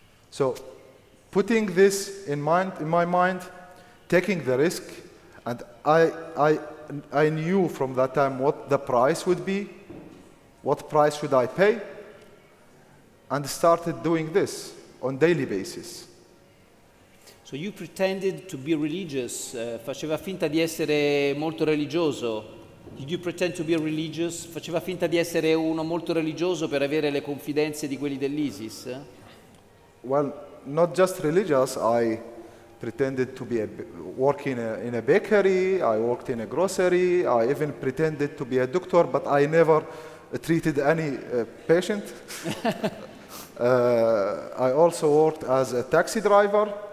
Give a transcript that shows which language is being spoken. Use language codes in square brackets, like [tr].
[en] So putting this in mind, in my mind, taking the risk, and I knew from that time what the price would be, what price should I pay, and started doing this on a daily basis. So you pretended to be religious, [it] faceva finta di essere molto religioso. [en] Did you pretend to be religious? [it] Faceva finta di essere uno molto religioso per avere le confidenze di quelli dell'ISIS? [en] Well, not just religious, I pretended to be working in a bakery, I worked in a grocery, I even pretended to be a doctor, but I never treated any patient. I also worked as a taxi driver.